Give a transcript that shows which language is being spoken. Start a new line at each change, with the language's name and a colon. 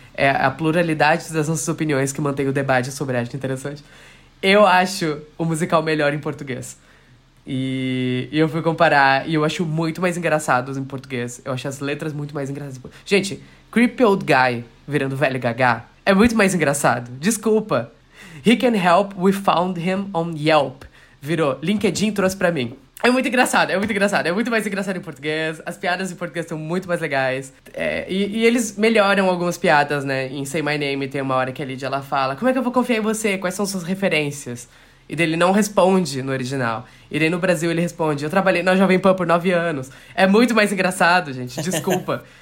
Portuguese: É a pluralidade das nossas opiniões que mantém o debate sobre arte interessante. Eu acho o musical melhor em português. E eu fui comparar, e eu acho muito mais engraçados em português. Eu acho as letras muito mais engraçadas. Gente, Creepy Old Guy virando Velho Gaga é muito mais engraçado. Desculpa.
English: He Can Help, We Found Him on Yelp.
Portuguese: Virou LinkedIn trouxe pra mim. É muito engraçado. É muito mais engraçado em português. As piadas em português são muito mais legais. E eles melhoram algumas piadas, né? Em Say My Name tem uma hora que a Lydia ela fala: como é que eu vou confiar em você? Quais são suas referências? E daí ele não responde no original. E daí no Brasil ele responde: eu trabalhei na Jovem Pan por 9 anos. É muito mais engraçado, gente. Desculpa.